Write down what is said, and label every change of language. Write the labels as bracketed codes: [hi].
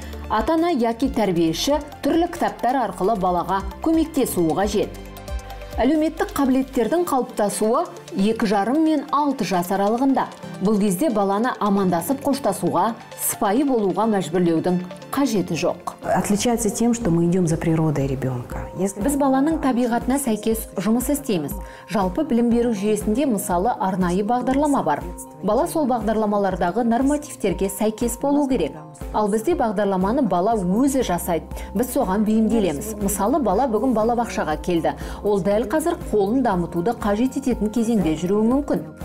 [kk] Ата-ана яки тәрбиеші түрлі кітаптар арқылы балаға көмектесуі қажет. Әлеуметтік қабілеттердің қалыптасуы 2,5 мен 6 жас аралығында. Бұл кезде баланы амандасып қоштасуға, сыпайы болуға мәжбүрлеудің қажеті жоқ. [ru] Отличается тем, что мы идем за природой ребенка. [kk] Біз баланың табиғатына сәйкес жұмыс істейміз. Жалпы білім беру жүйесінде мысалы арнайы бағдарлама бар. Бала сол бағдарламалардағы нормативтерге сәйкес болу керек. Ал бізде бағдарламаны бала өзі жасайды. Біз соған бейімделеміз. Мысалы, бала бүгін балабақшаға келді. Ол дәл қазір қолын дамытуды қажет ететін кезеңде жүруі мүмкін.